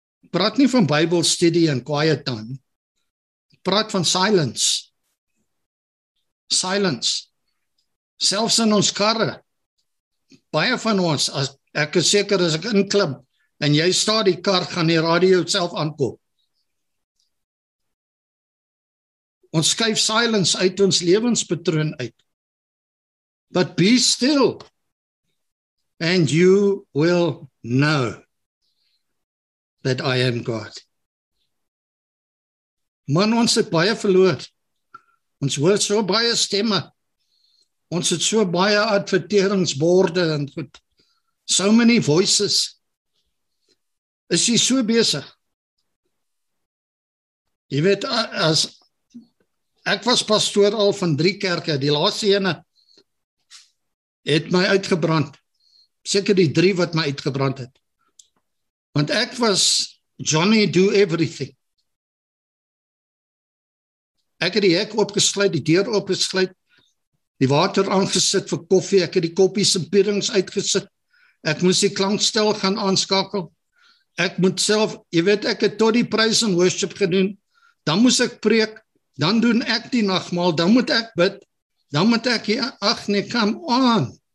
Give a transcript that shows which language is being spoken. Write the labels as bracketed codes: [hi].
[af] Praat nie van Bybelstudie en quiet time. Praat van silence. Silence. Selfs in ons karre. Baie van ons, as ek is seker as ek inklim en jy sta die kar, gaan die radio self aankop. Ons skuif silence uit ons lewenspatroon uit. [en] But be still, and you will know that I am God. [af] Man, ons het baie verloor. Ons hoor so baie stemme. Ons het so baie adverteringsborde en goed. [en] So many voices. [af] Is jy so besig? Jy weet, as ek was pastoor al van 3 kerke, die laaste ene het my uitgebrand. Seker die 3 wat my uitgebrand het. Want ek was [en] Johnny do everything. [af] Ek het die hek opgesluit, die deur opgesluit, die water aangesit vir koffie, ek het die koppies en piddings uitgesit, ek moes die klankstel gaan aanskakel, ek moet self, jy weet, ek het tot die praise and worship gedoen, dan moes ek preek, dan doen ek die nagmaal, dan moet ek bid, dan moet ek, ach nee, [en] come on,